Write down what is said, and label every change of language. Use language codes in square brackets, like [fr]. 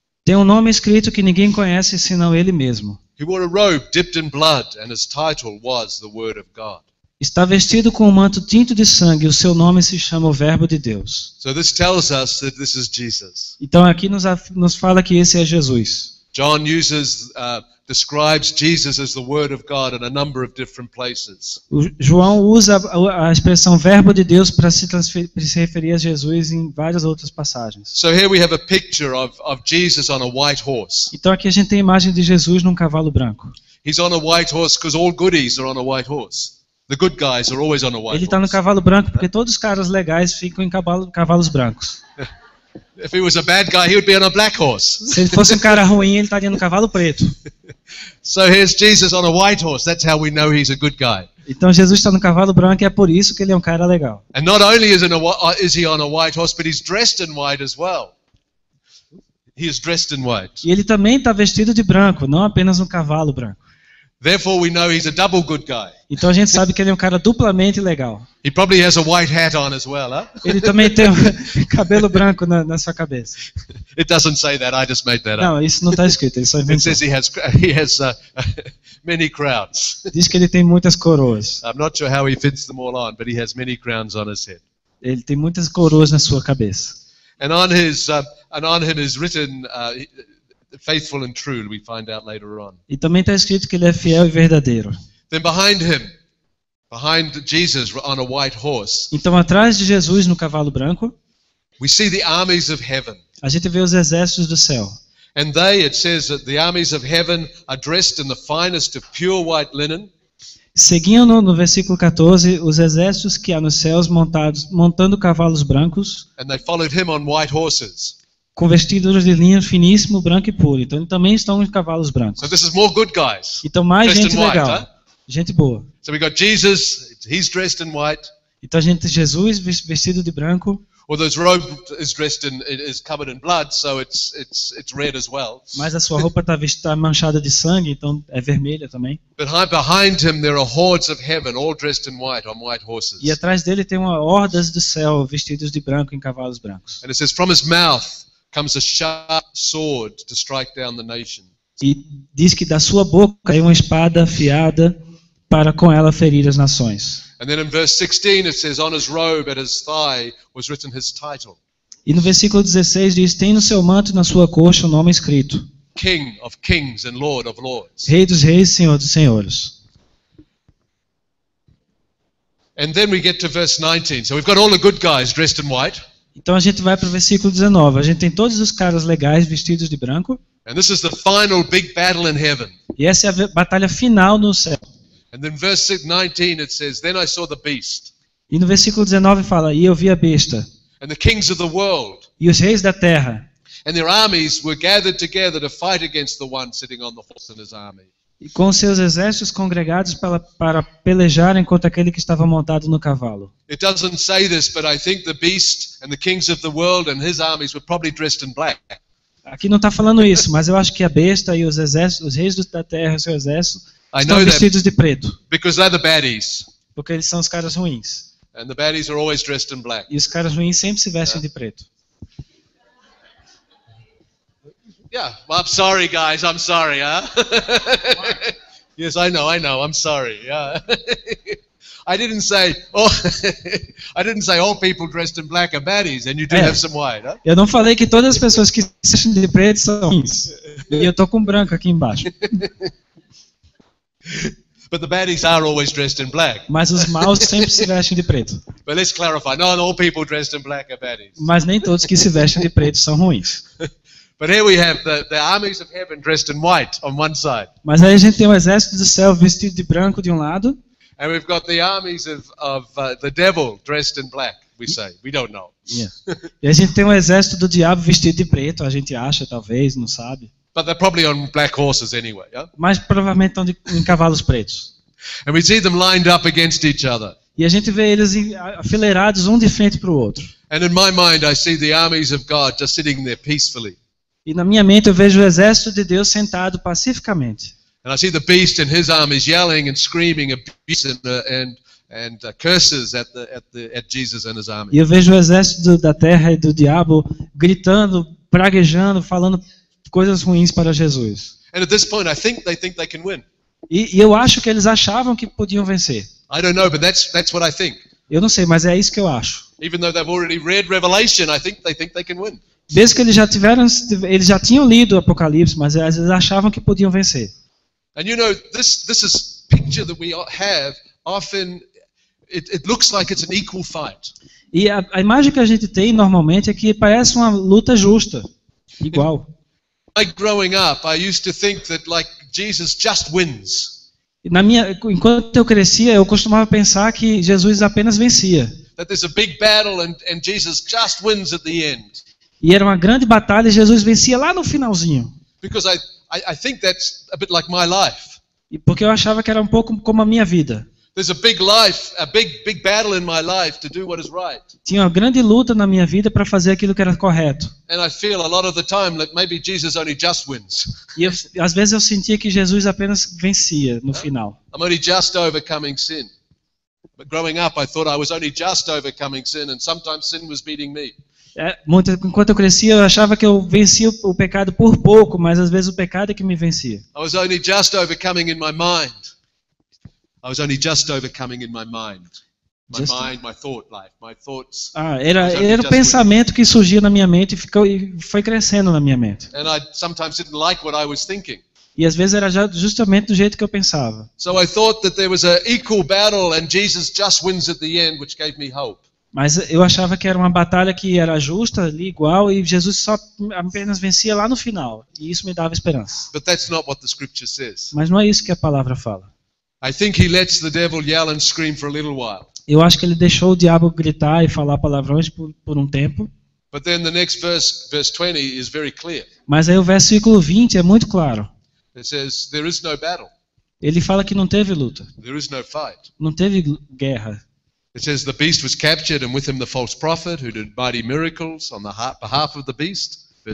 [pt] Tem um nome escrito que ninguém conhece senão ele mesmo. [en] He wore a robe dipped in blood and his title was the Word of God. [pt] Está vestido com um manto tinto de sangue e o seu nome se chama o Verbo de Deus. [en] So this tells us that this is Jesus. [pt] Então aqui nos fala que esse é Jesus. [en] John uses describes Jesus as the Word of God in a number of different places. [pt] O João usa a expressão Verbo de Deus para se referir a Jesus em várias outras passagens. [en] So here we have a picture of Jesus on a white horse. [pt] Então aqui a gente tem a imagem de Jesus num cavalo branco. [en] He's on a white horse because all goodies are on a white horse. The good guys are always on a white horse. [pt] Ele está no cavalo branco porque todos os caras legais ficam em cavalos brancos. [en] If he was a bad guy, he would be on a black horse. [pt] Se ele fosse um cara ruim, ele estaria no cavalo preto. [en] So here's Jesus on a white horse. That's how we know he's a good guy. [pt] Então Jesus está no cavalo branco e é por isso que ele é um cara legal. [en] And not only is he on a white horse, but he's dressed in white as well. He is dressed in white. [pt] E ele também está vestido de branco, não apenas um cavalo branco. [en] Therefore we know he's a double good guy. [pt] Então a gente sabe que ele é um cara duplamente legal. [en] He probably has a white hat on as well, huh? [pt] Ele também tem um cabelo branco na sua cabeça. [en] It doesn't say that, I just made that [pt] não, Não, isso não está escrito, ele só inventou. [en] It says he has many crowns. [pt] Diz que ele tem muitas coroas. [en] I'm not sure how he fits them all on, but he has many crowns on his head. [pt] Ele tem muitas coroas na sua cabeça. [en] And on his and on him is written faithful and true, we find out later on. [pt] E também está escrito que ele é fiel e verdadeiro. [en] Then behind him, behind Jesus on a white horse. [pt] Então atrás de Jesus no cavalo branco, [en] we see the armies of heaven. [pt] A gente vê os exércitos do céu. [en] And they, it says that the armies of heaven are dressed in the finest of pure white linen. [pt] Seguindo no versículo 14, os exércitos que há nos céus montando cavalos brancos. [en] And they followed him on white horses. [pt] Com vestidos de linho finíssimo, branco e puro. Então, também estão os cavalos brancos. [en] So this is more good guys, [pt] então, mais gente legal. Gente boa. [en] So we got Jesus, he's dressed in white. [pt] Então, a gente tem Jesus vestido de branco. [en] Or those robes is dressed in, is covered in blood, so it's red as well. [pt] Mas a sua roupa está manchada de sangue, então é vermelha também. [en] But behind him there are hordes of heaven, all dressed in white, on white horses. [pt] E atrás dele tem uma horda do céu, vestidos de branco, em cavalos brancos. [en] And it says, from his mouth comes a sharp sword to strike down the nation. [pt] E diz que da sua boca caiu uma espada afiada para com ela ferir as nações. [en] And then in verse 16 it says on his robe at his thigh was written his title. [pt] E no versículo 16 diz tem no seu manto na sua coxa o nome escrito. [en] King of kings and Lord of lords. [pt] Rei dos reis, Senhor dos senhores. [en] And then we get to verse 19. So we've got all the good guys dressed in white. [pt] Então a gente vai para o versículo 19. A gente tem todos os caras legais vestidos de branco. [en] And this is the final big battle in heaven. [pt] E essa é a batalha final no céu. [en] And then verse 19 it says, then I saw the beast. [pt] E no versículo 19 fala, e eu vi a besta. [en] And the kings of the world. [pt] E os reis da terra. [en] And their armies were gathered together to fight against the one sitting on the horse and his army. [pt] E com seus exércitos congregados para pelejar contra aquele que estava montado no cavalo. [en] It doesn't say this, but I think the beast and the kings of the world and his armies were probably dressed in black. [pt] Aqui não está falando isso, mas eu acho que a besta e os exércitos, os reis da terra, seu exército, estão vestidos de preto. [en] Because they're the baddies. [pt] Porque eles são os caras ruins. [en] And the baddies are always dressed in black. [pt] E os caras ruins sempre se vestem de preto. [en] Yeah, well, I'm sorry, guys. I'm sorry, huh? Yes, I know. I'm sorry. Yeah. I didn't say all people dressed in black are baddies, and you do have some white, huh? [pt] Eu não falei que todas as pessoas que se vestem de preto são ruins. E eu tô com branco aqui embaixo. [en] But the baddies are always dressed in black. [pt] Mas os maus sempre se vestem de preto. [en] But let's clarify. Not all people dressed in black are baddies. [pt] Mas nem todos que se vestem de preto são ruins. [en] But here we have the armies of heaven dressed in white on one side. [pt] Mas aí a gente tem o exército do céu vestido de branco de um lado. [en] And we've got the armies of the devil dressed in black. We say we don't know. [pt] Yeah. E a gente tem o exército do diabo vestido de preto. A gente acha, talvez, não sabe. [en] But they're probably on black horses anyway. Yeah? [pt] Mas provavelmente estão em cavalos pretos. [en] And we see them lined up against each other. [pt] E a gente vê eles afileirados um de frente para o outro. [en] And in my mind, I see the armies of God just sitting there peacefully. [pt] E na minha mente eu vejo o exército de Deus sentado pacificamente. [en] And I see the beast and his armies yelling and screaming abuse and curses at Jesus and his army. [pt] E eu vejo o exército da terra e do diabo gritando, praguejando, falando coisas ruins para Jesus. [en] And at this point I think they can win. [pt] E eu acho que eles achavam que podiam vencer. [en] I don't know, but that's what I think. [pt] Eu não sei, mas é isso que eu acho. [en] Even though they've already read Revelation, I think they can win. [pt] Mesmo que eles já tinham lido o Apocalipse, mas eles achavam que podiam vencer. [en] And you know, this is picture that we have often. It looks like it's an equal fight. [pt] E a imagem que a gente tem normalmente é que parece uma luta justa, igual. [en] Like growing up, I used to think that like Jesus just wins. [pt] Enquanto eu crescia, eu costumava pensar que Jesus apenas vencia. [en] That there's a big battle and Jesus just wins at the end. [pt] E era uma grande batalha e Jesus vencia lá no finalzinho. [en] Because I think that's a bit like my life. [pt] E porque eu achava que era um pouco como a minha vida. [en] There's a big life, a big battle in my life to do what is right. [pt] Tinha uma grande luta na minha vida para fazer aquilo que era correto. [en] And I feel a lot of the time that maybe Jesus only just wins. [pt] E às vezes eu sentia que Jesus apenas vencia no final. [en] I'm only just overcoming sin. But growing up I thought I was only just overcoming sin and sometimes sin was beating me. [pt] Enquanto eu crescia, eu achava que eu vencia o pecado por pouco, mas às vezes o pecado é que me vencia. [en] I was only just overcoming in my mind. I was only just overcoming in my mind. My thought life, my thoughts. [pt] Era o pensamento que surgia na minha mente e foi crescendo na minha mente. [en] And I sometimes didn't like what I was thinking. [pt] E às vezes era justamente do jeito que eu pensava. [en] So I thought that there was an equal battle and Jesus just wins at the end, which gave me hope. [pt] Mas eu achava que era uma batalha que era justa, ali, igual, e Jesus só apenas vencia lá no final. E isso me dava esperança. [en] But that's not what the scripture says. [pt] Mas não é isso que a palavra fala. [en] I think he lets the devil yell and scream for a little while. [pt] Eu acho que ele deixou o diabo gritar e falar palavrões por um tempo. [en] But then the next verse 20 is very clear. [pt] Mas aí o versículo 20 é muito claro. [en] It says there is no battle. [pt] Ele fala que não teve luta. [en] There is no fight. [pt] Não teve guerra. [en] It says the beast was captured and with him the false prophet who did mighty miracles on the behalf of the beast.